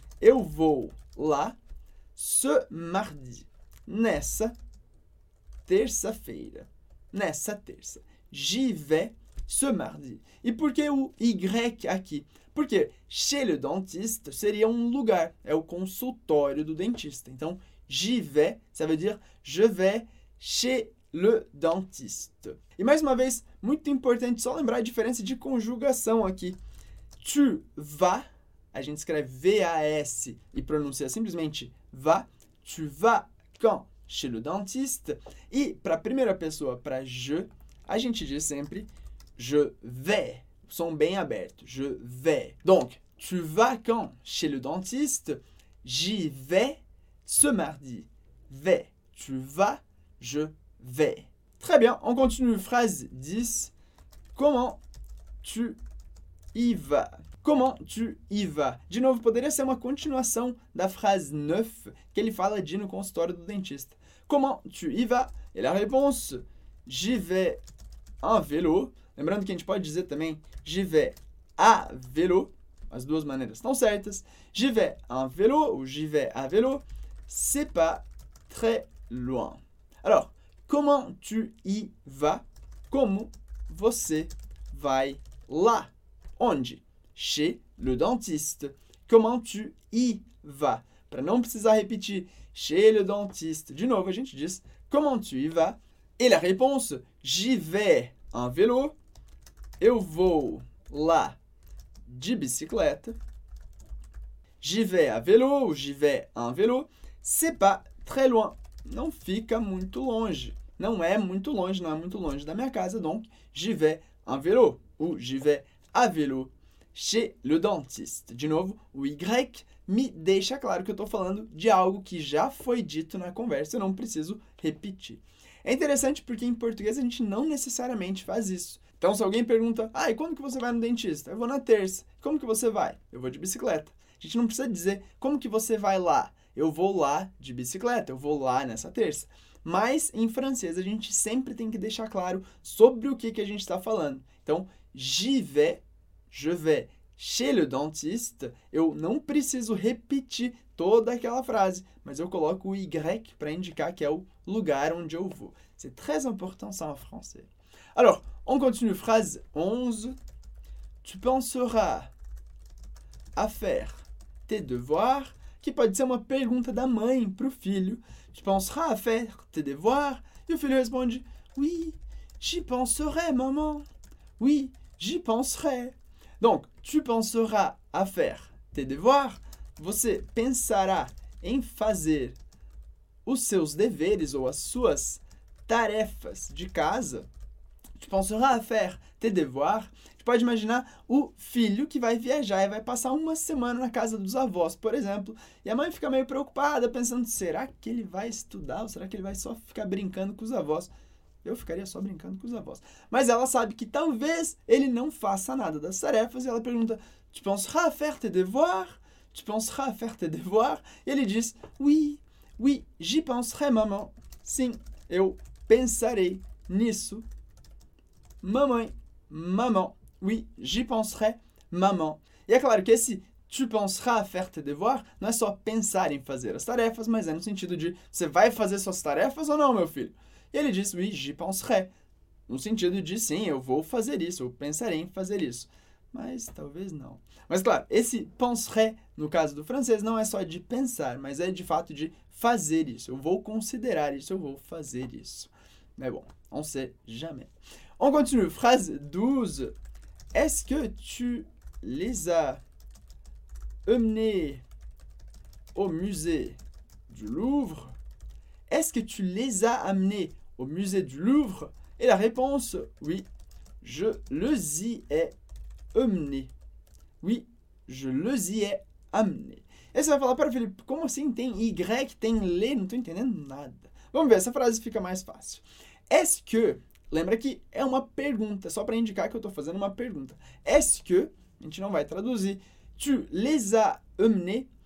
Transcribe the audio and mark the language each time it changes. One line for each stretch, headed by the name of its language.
Portuguese: Eu vou lá
French: ce mardi.
Portuguese: Nessa terça-feira. Nessa terça.
French: J'y vais ce mardi.
Portuguese: E por que o Y aqui? Porque
French: chez le dentiste
Portuguese: seria um lugar, é o consultório do dentista. Então,
French: j'y vais, ça veut dire je vais chez le dentiste.
Portuguese: E mais uma vez, muito importante só lembrar a diferença de conjugação aqui. Tu vas, a gente escreve V-A-S e pronuncia simplesmente va.
French: Tu vas quand chez le dentiste?
Portuguese: E para a primeira pessoa, para je, a gente diz sempre
French: je vais.
Portuguese: Som bem aberto.
French: Je vais. Donc, tu vas quand chez le dentiste? J'y vais ce mardi. Vais. Tu vas, je vais. Très bien. On continue. Phrase 10. Comment tu y vas? Comment tu y vas?
Portuguese: De novo, poderia ser uma continuação da phrase 9 que ele fala de ir no consultório do dentista.
French: Comment tu y vas? Et la réponse, j'y vais en vélo.
Portuguese: Lembrando que a gente pode dizer também
French: j'y vais à vélo.
Portuguese: As duas maneiras estão certas.
French: J'y vais en vélo ou j'y vais à vélo. C'est pas très loin. Alors, comment tu y vas?
Portuguese: Como você vai lá? Onde?
French: Chez le dentiste. Comment tu y vas?
Portuguese: Para não precisar repetir
French: chez le dentiste,
Portuguese: de novo a gente diz
French: comment tu y vas? Et la réponse, j'y vais en vélo.
Portuguese: Eu vou lá de bicicleta.
French: J'y vais à vélo ou j'y vais en vélo. C'est pas très loin.
Portuguese: Não fica muito longe. Não é muito longe, não é muito longe da minha casa.
French: Donc, j'y vais en vélo ou j'y vais à vélo. Chez le dentiste.
Portuguese: De novo, o Y me deixa claro que eu estou falando de algo que já foi dito na conversa, eu não preciso repetir. É interessante porque em português a gente não necessariamente faz isso. Então, se alguém pergunta, ah, e quando que você vai no dentista? Eu vou na terça. Como que você vai? Eu vou de bicicleta. A gente não precisa dizer, como que você vai lá? Eu vou lá de bicicleta, eu vou lá nessa terça. Mas, em francês, a gente sempre tem que deixar claro sobre o que, que a gente está falando. Então,
French: je vais chez le dentiste,
Portuguese: eu não preciso repetir toda aquela frase, mas eu coloco o Y para indicar que é o lugar onde eu vou.
French: C'est très important ça en français. Alors, on continue, phrase 11. Tu penseras à faire tes devoirs,
Portuguese: que pode ser uma pergunta da mãe para o filho.
French: Tu penseras à faire tes devoirs?
Portuguese: E o filho responde,
French: oui, j'y penserai, maman. Oui, j'y penserai. Donc, tu penseras à faire tes devoirs?
Portuguese: Você pensará em fazer os seus deveres ou as suas tarefas de casa?
French: Tu penseras à faire tes devoirs?
Portuguese: Tu pode imaginar o filho que vai viajar e vai passar uma semana na casa dos avós, por exemplo, e a mãe fica meio preocupada, pensando, será que ele vai estudar ou será que ele vai só ficar brincando com os avós? Eu ficaria só brincando com os avós. Mas ela sabe que talvez ele não faça nada das tarefas e ela pergunta,
French: tu penseras à faire tes devoirs? Tu penseras à faire tes devoirs?
Portuguese: E ele diz,
French: oui, oui, j'y penserai, maman.
Portuguese: Sim, eu pensarei nisso. Mamãe,
French: maman, oui, j'y penserai, maman.
Portuguese: E é claro que esse
French: tu penseras à faire tes devoirs
Portuguese: não é só pensar em fazer as tarefas, mas é no sentido de você vai fazer suas tarefas ou não, meu filho? E ele diz,
French: oui, j'y penserai.
Portuguese: No sentido de sim, eu vou fazer isso, eu pensarei em fazer isso. Mas talvez não. Mas claro, esse penserai, no caso do francês, não é só de pensar, mas é de fato de fazer isso. Eu vou considerar isso, eu vou fazer isso.
French: Mais bon, on sait jamais. On continue, phrase 12. Est-ce que tu les as emmenés au musée du Louvre? Est-ce que tu les as amenés au musée du Louvre? Et la réponse, oui, je les y ai emmenés. Oui, je les y ai amenés. Et ça va
Portuguese: falar, pera Felipe, como assim tem Y, tem les? Não estou entendendo nada. Vamos ver, essa frase fica mais fácil.
French: Est-ce que,
Portuguese: lembra que é uma pergunta, só para indicar que eu estou fazendo uma pergunta.
French: Est-ce que,
Portuguese: a gente não vai traduzir,
French: tu les as emmenés?